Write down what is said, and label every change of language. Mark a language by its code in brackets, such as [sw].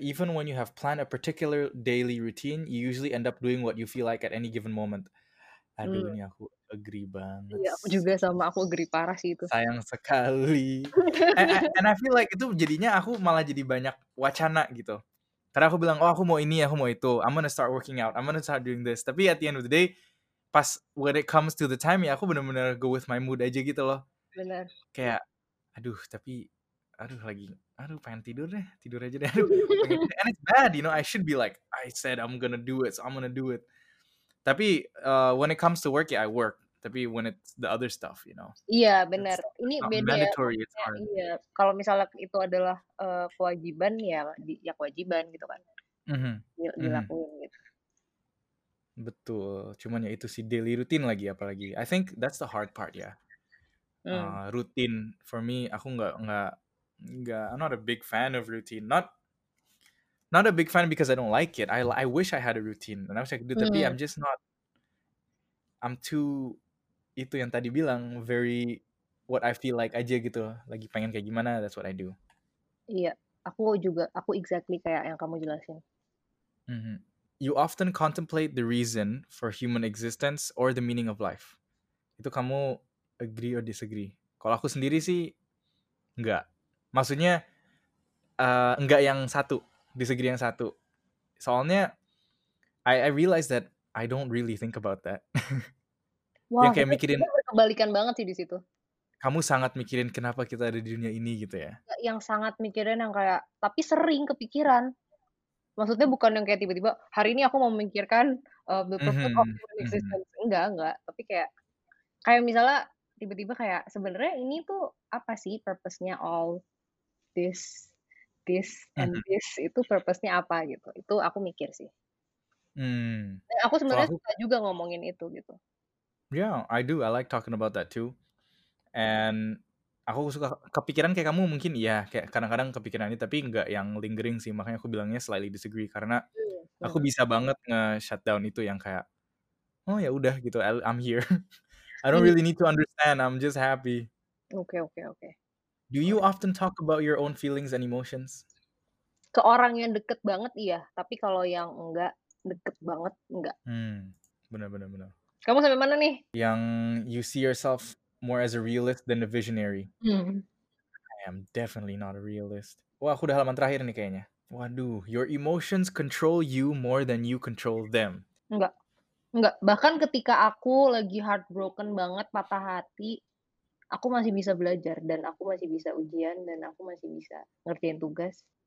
[en] Even when you have planned a particular daily routine, you usually end up doing what you feel like at any given moment. [id] Aduh, ini aku agree banget. Iya, aku juga sama. Aku agree parah sih itu. Sayang sekali. [en] and I feel like [id] itu jadinya aku malah jadi banyak wacana gitu. Karena aku bilang, oh aku mau ini, aku mau itu. [en] I'm gonna start working out. I'm gonna start doing this. Tapi at the end of the day, pas when it comes to the time, [id] ya aku benar-benar [en] go with my mood [id] aja gitu loh. Benar. Kayak, aduh tapi, aduh lagi, aduh pengen tidur deh. Tidur aja deh. Aduh. [en] And it's bad, you know. I should be like, I said I'm gonna do it, so I'm gonna do it. Tapi when it comes to work, ya I work. Tapi when it's the other stuff, you know. [id] Iya, benar. Ini beda. [en] Mandatory, it's hard. [id] Iya. Kalau misalnya itu adalah kewajiban, ya kewajiban gitu kan. Dilakuin gitu. Betul. Cuman ya itu si daily routine lagi apalagi. [en] I think that's the hard part, ya. Routine. For me, [id] aku gak, [en] I'm not a big fan of routine. Not a big fan because I don't like it. I wish I had a routine. And I wish I could do that. Tapi I'm just not. I'm too, [id] itu yang tadi bilang, [en] very what I feel like [id] aja gitu. Lagi pengen kayak gimana, [en] that's what I do. [id] Iya, aku juga, aku exactly kayak yang kamu jelasin. Mm-hmm. [en] You often contemplate the reason for human existence or the meaning of life. [id] Itu kamu [en] agree or disagree? [id] Kalau aku sendiri sih, enggak. Maksudnya, enggak yang satu, disagree yang satu. Soalnya, [en] I realize that I don't really think about that. [id] Wah, yang kayak mikirin kebalikan banget sih di situ. Kamu sangat mikirin kenapa kita ada di dunia ini gitu ya? Yang sangat mikirin yang kayak tapi sering kepikiran. Maksudnya bukan yang kayak tiba-tiba hari ini aku mau memikirkan [en] the purpose of human existence. [id] Enggak. Tapi kayak misalnya tiba-tiba kayak sebenarnya ini tuh apa sih purpose-nya [en] all this and this [id] itu purpose-nya apa gitu? Itu aku mikir sih. Hmm. Aku sebenarnya suka juga ngomongin itu gitu. [en] Yeah, I do. I like talking about that too. [id] And aku suka kepikiran kayak kamu mungkin iya, kayak kadang-kadang kepikiran ini tapi enggak yang lingering sih. Makanya aku bilangnya slightly disagree karena aku bisa banget nge-shutdown itu yang kayak oh ya udah gitu. [en] I'm here. I don't really need to understand. I'm just happy. Okay. Do you often talk about your own feelings and emotions? [id] Ke orang yang deket banget iya, tapi kalau yang enggak deket banget enggak. Benar. Kamu sampai mana nih? [en] Yang you see yourself more as a realist than a visionary. Hmm. I am definitely not a realist. [id] Wah, aku udah halaman terakhir nih kayaknya. Waduh, [en] your emotions control you more than you control them. [id] Enggak. Bahkan ketika aku lagi heartbroken banget, patah hati, aku masih bisa belajar dan aku masih bisa ujian dan aku masih bisa ngerjain tugas.